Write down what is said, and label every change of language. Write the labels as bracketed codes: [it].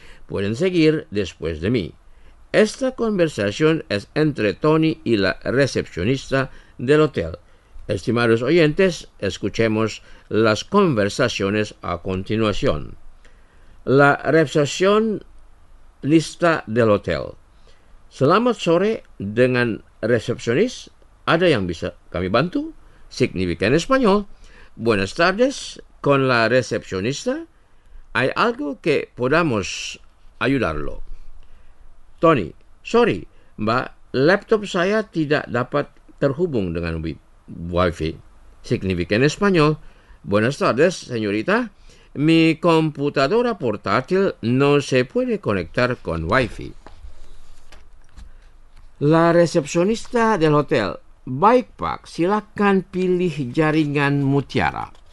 [es] Pueden seguir después de mí. Esta conversación es entre Tony y la recepcionista del hotel. Estimados oyentes, escuchemos las conversaciones a continuación. La recepcionista del hotel. [id] Selamat sore dengan resepsionis. ¿Ada yang bisa kami bantu? [es] Significa en español. Buenas tardes con la recepcionista. ¿Hay algo que podamos ayudarlo? [id] Tony. Sorry, mbak. Laptop saya tidak dapat terhubung dengan wifi. [es] Significa en español. Buenas tardes, señorita. Mi computadora portátil no se puede conectar con Wi-Fi. La recepcionista del hotel. [id] Baik, Pak, silakan pilih jaringan mutiara.